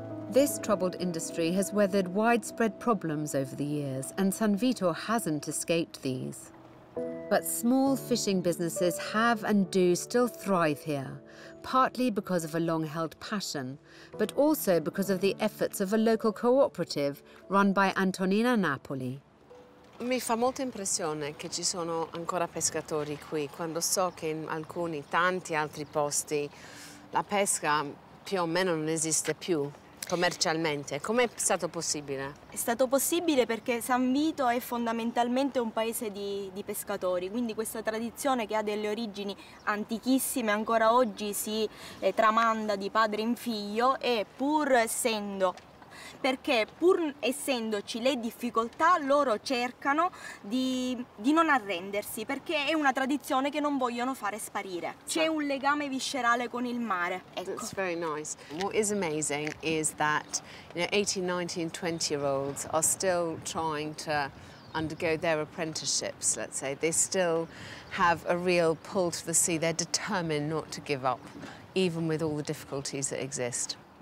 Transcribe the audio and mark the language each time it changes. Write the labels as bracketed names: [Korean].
[English] This troubled industry has weathered widespread problems over the years, and San Vito hasn't escaped these. But small fishing businesses have and do still thrive here, partly because of a long-held passion, but also because of the efforts of a local cooperative run by Antonina Napoli. [Italian] Mi fa molta impressione che ci sono ancora pescatori qui, quando so che in alcuni, tanti altri posti, la pesca più o meno non esiste più commercialmente. Com'è stato possibile? È stato possibile perché San Vito è fondamentalmente un paese di pescatori, quindi questa tradizione che ha delle origini antichissime ancora oggi si tramanda di padre in figlio e pur essendoci le difficoltà, loro cercano di non arrendersi, perché è una tradizione che non vogliono fare sparire. C'è un legame viscerale con il mare. Ecco. [English] That's very nice. What is amazing is that, you know, 18, 19, 20 year olds are still trying to undergo their apprenticeships, let's say. They still have a real pull to the sea. They're determined not to give up, even with all the difficulties that exist.